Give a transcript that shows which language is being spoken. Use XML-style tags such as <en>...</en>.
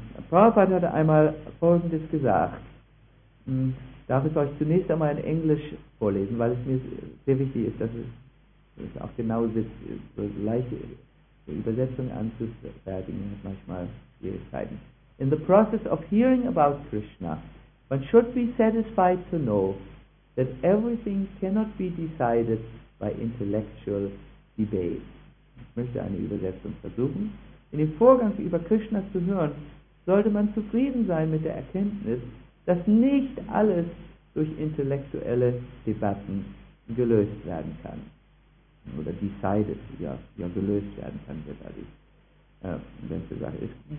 <de>Prabhupada hatte einmal Folgendes gesagt. Darf ich euch zunächst einmal in Englisch vorlesen, weil es mir sehr wichtig ist, dass es auch genau so leicht ist. Übersetzung anzufertigen hat manchmal Schwierigkeiten.</de> <en>In the process of hearing about Krishna, one should be satisfied to know that everything cannot be decided by intellectual debate.</en> <de>Ich möchte eine Übersetzung versuchen. In dem Vorgang über Krishna zu hören, sollte man zufrieden sein mit der Erkenntnis, dass nicht alles durch intellektuelle Debatten gelöst werden kann. Oder decided, ja gelöst werden kann, wird also wenn es gesagt ist.</de>